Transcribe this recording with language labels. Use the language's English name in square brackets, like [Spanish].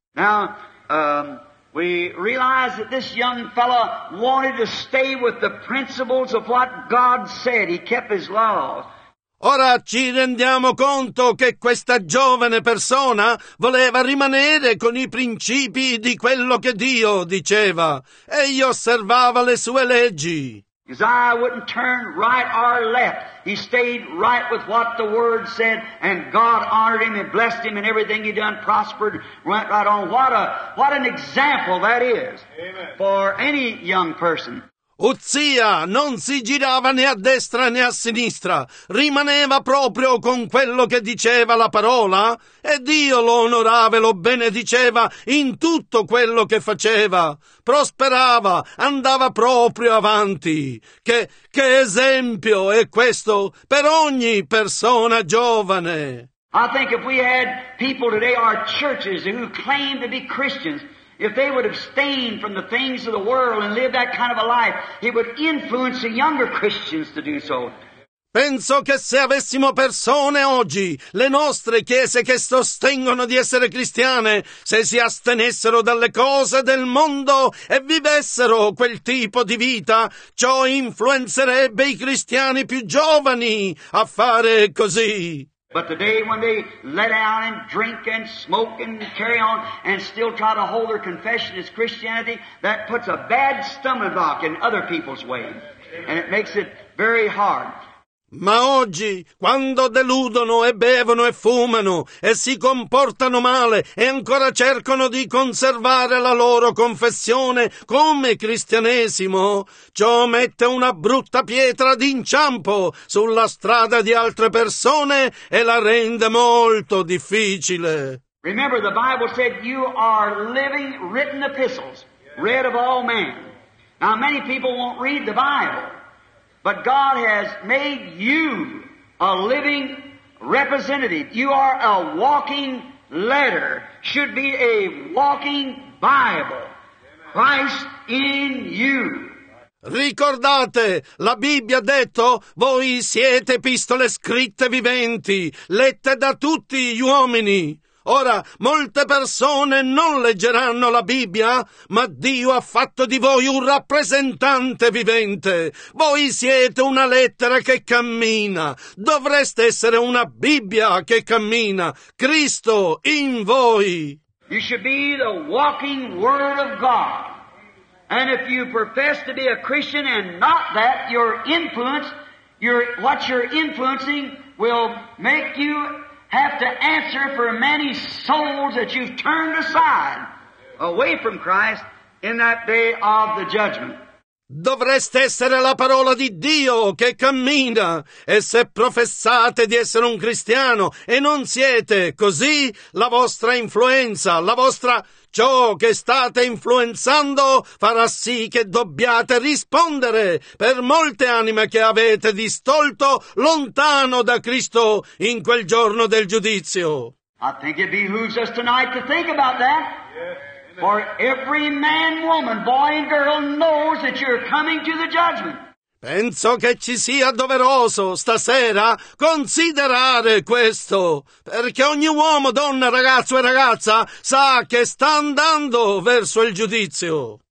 [English] Now, we realize that this young fellow wanted to stay with the principles of what God said. He kept his laws. [Italian] Ora ci rendiamo conto che questa giovane persona voleva rimanere con i principi di quello che Dio diceva. Egli osservava le sue leggi. [English] His eye wouldn't turn right or left. He stayed right with what the Word said, and God honored him and blessed him, and everything he done prospered, went right on. What an example that is. Amen. For any young person. [Italian] Uzzia non si girava né a destra né a sinistra, rimaneva proprio con quello che diceva la parola, e Dio lo onorava e lo benediceva in tutto quello che faceva. Prosperava, andava proprio avanti. Che esempio è questo per ogni persona giovane? [English] I think if we had people today, our churches, who claim to be Christians, if they would abstain from the things of the world and live that kind of a life, it would influence the younger Christians to do so. [Italian] Penso che se avessimo persone oggi, le nostre chiese che sostengono di essere cristiane, se si astenessero dalle cose del mondo e vivessero quel tipo di vita, ciò influenzerebbe i cristiani più giovani a fare così. [English] But the day when they let out and drink and smoke and carry on and still try to hold their confession as Christianity, that puts a bad stumbling block in other people's way. And it makes it very hard. [Italian] Ma oggi, quando deludono e bevono e fumano e si comportano male e ancora cercano di conservare la loro confessione come cristianesimo, ciò mette una brutta pietra d'inciampo sulla strada di altre persone e la rende molto difficile. [English] Remember, the Bible said you are living written epistles, read of all men. Now, many people won't read the Bible. But God has made you a living representative. You are a walking letter, should be a walking Bible. Amen. Christ in you. [Italian] Ricordate, la Bibbia ha detto, voi siete epistole scritte viventi, lette da tutti gli uomini. Ora, molte persone non leggeranno la Bibbia, ma Dio ha fatto di voi un rappresentante vivente. Voi siete una lettera che cammina. Dovreste essere una Bibbia che cammina. Cristo in voi. [English] You should be the walking Word of God. And if you profess to be a Christian and not that, your influence, your what you're influencing will make you have to answer for many souls that you've turned aside away from Christ in that day of the judgment. [Italian] Dovreste essere la parola di Dio che cammina, e se professate di essere un cristiano e non siete così, la vostra influenza, la vostra, ciò che state influenzando farà sì che dobbiate rispondere per molte anime che avete distolto lontano da Cristo in quel giorno del giudizio. [English] I think it behooves us tonight to think about that. For every man, woman, boy and girl knows that you're coming to the judgment. [Italian] Penso che ci sia doveroso stasera considerare questo, perché ogni uomo, donna, ragazzo e ragazza sa che sta andando verso il giudizio.